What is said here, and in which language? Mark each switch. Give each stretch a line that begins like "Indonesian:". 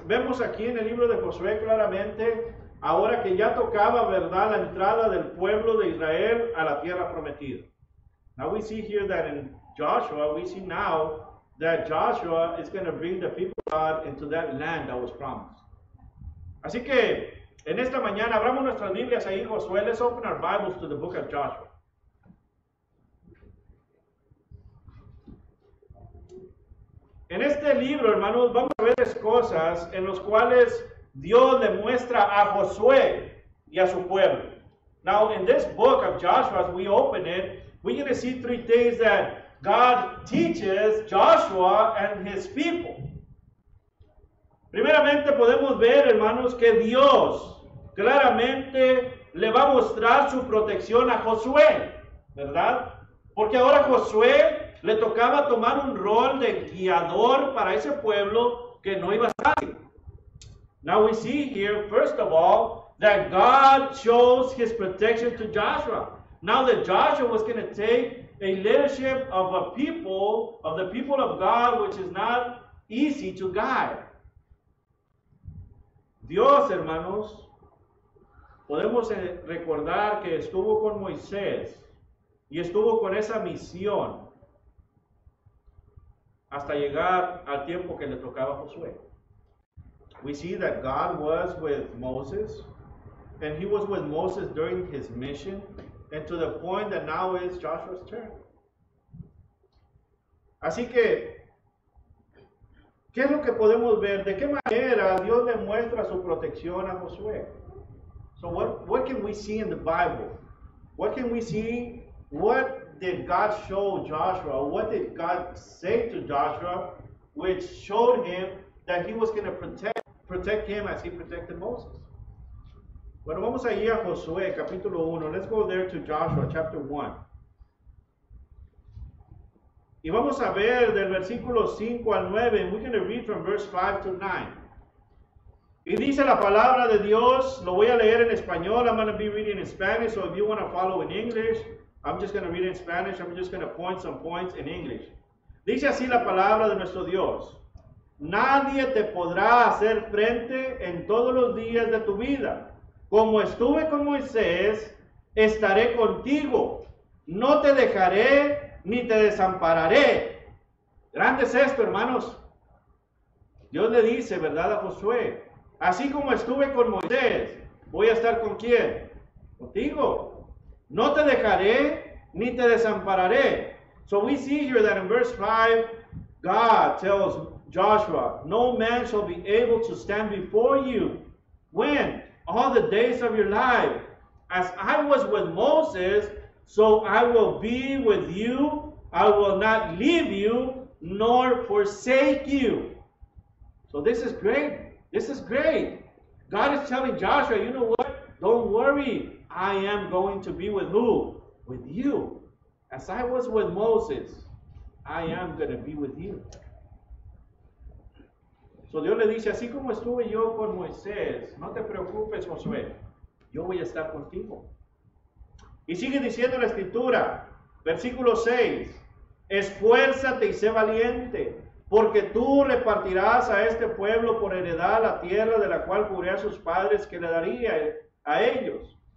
Spanish: Vemos aquí en el libro de Josué claramente, ahora que ya tocaba, ¿verdad?, la entrada del pueblo de Israel a la tierra prometida.
English: Now we see here that in Joshua, we see now that Joshua is going to bring the people of God into that land that was promised.
Spanish: Así que, en esta mañana, abramos nuestras Biblias ahí, Josué.
English: Let's open our Bibles to the book of Joshua.
Spanish: En este libro, hermanos, vamos a ver cosas en las cuales Dios le muestra a Josué y a su pueblo.
English: Now, in this book of Joshua, as we open it, we're going to see three things that God teaches Joshua and his people.
Spanish: Primeramente, podemos ver, hermanos, que Dios claramente le va a mostrar su protección a Josué, ¿verdad? Porque ahora Josué le tocaba tomar un rol de guiador para ese pueblo que no iba a ser fácil.
English: Now we see here, first of all, that God shows his protection to Joshua. Now that Joshua was going to take a leadership of a people, of the people of God, which is not easy to guide.
Spanish: Dios, hermanos, podemos recordar que estuvo con Moisés y estuvo con esa misión hasta llegar al tiempo que le tocaba a Josué.
English: We see that God was with Moses, and he was with Moses during his mission, and to the point that now is Joshua's turn.
Spanish: Así que, ¿qué es lo que podemos ver? ¿De qué manera Dios le muestra su protección a Josué?
English: So what can we see in the Bible? What can we see? What did God show Joshua? What did God say to Joshua, which showed him that he was going to protect him as he protected Moses?
Spanish: Bueno, vamos allí a Josué, capítulo 1.
English: Let's go there to Joshua, chapter 1.
Spanish: Y vamos a ver del versículo 5 al 9.
English: And we're going to read from verse 5 to 9.
Spanish: Y dice la palabra de Dios, lo voy a leer en español.
English: I'm going to be reading in Spanish, so if you want to follow in English, I'm just going to read in Spanish. I'm just going to point some points in English.
Spanish: Dice así la palabra de nuestro Dios. Nadie te podrá hacer frente en todos los días de tu vida. Como estuve con Moisés, estaré contigo. No te dejaré ni te desampararé. Grande es esto, hermanos. Dios le dice, ¿verdad?, a Josué. Así como estuve con Moisés, voy a estar ¿con quién? Contigo. No te dejaré ni te desampararé.
English: So we see here that in verse 5, God tells Joshua, no man shall be able to stand before you when all the days of your life, as I was with Moses, so I will be with you. I will not leave you nor forsake you. So this is great. This is great. God is telling Joshua, you know what? Don't worry. I am going to be with who? With you. As I was with Moses, I am going to be with you.
Spanish: So Dios le dice, así como estuve yo con Moisés, no te preocupes, Josué, yo voy a estar contigo. Y sigue diciendo la escritura, versículo 6, esfuérzate y sé valiente, porque tú repartirás a este pueblo por heredad la tierra de la cual juré a sus padres que le daría a ellos.